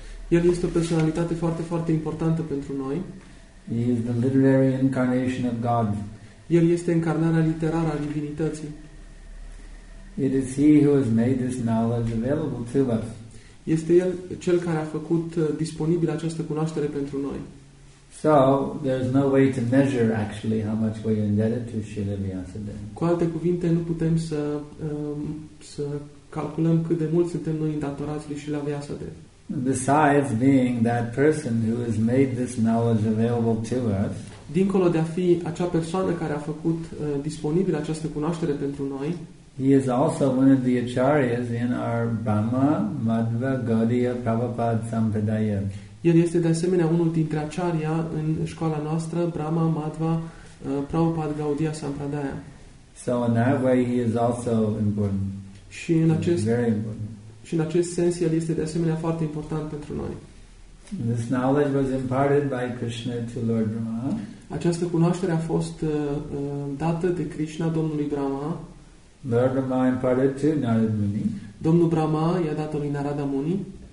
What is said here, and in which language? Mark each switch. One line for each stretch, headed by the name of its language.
Romanian: El este o personalitate foarte, foarte importantă pentru noi.
English: He is the literary incarnation of God.
Romanian: El este încarnarea literară a divinității.
English: It is he who has made this knowledge available to us.
Romanian: Este el cel care a făcut disponibil această cunoaștere pentru noi.
English: So, there's no way to measure actually how much we are indebted to Srila Vyasadeva.
Romanian: Cu alte cuvinte, nu putem să calculăm cât de mult suntem noi îndatorați lui Srila Vyasadeva.
English: Besides being that person who has made this knowledge available to us,
Romanian: dincolo de a fi acea persoană care a făcut disponibil această cunoaștere pentru noi,
English: he is also one of the acharyas in our Brahma, Madhva, Gaudiya, Prabhupada Sampradaya.
Romanian: El este de asemenea unul dintre acharya în școala noastră, Brahma, Madhva, Prabhupada, Gaudiya, Sampradaya.
English: So in that way he is also important.
Romanian: Și în acest,
English: very important.
Romanian: Și în acest sens el este de asemenea foarte important pentru noi.
English: And this knowledge was imparted by Krishna to Lord Brahma.
Romanian: Această cunoaștere a fost dată de Krishna Domnului Brahma.
English: Lord Brahma imparted to Narad Muni.
Romanian: Domnul Brahma i-a dat-o lui Narada Muni.